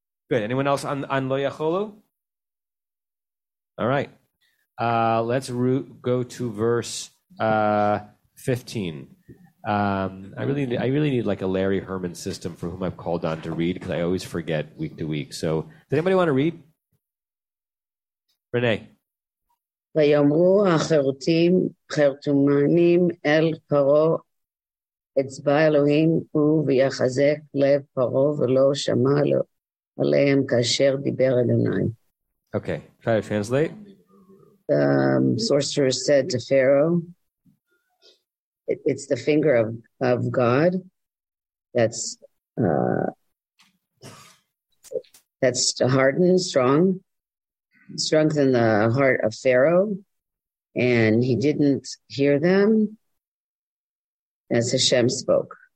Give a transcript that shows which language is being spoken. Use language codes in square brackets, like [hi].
[en] Good. Anyone else on Lo Yacholu? All right. Let's go to verse 15. I really need like a Larry Herman system for whom I've called on to read, because I always forget week to week. So does anybody want to read? Renee. [he] ויאמרו החרטים חרטומנים אל פרו אצבע אלוהים וביחזק לב פרו ולא שמע עליהם כאשר דיבר אדוני. [en] Okay, try to translate. The sorcerer said to Pharaoh, it's the finger of God that's hardened and strong. Strengthen the heart of Pharaoh, and he didn't hear them as Hashem spoke.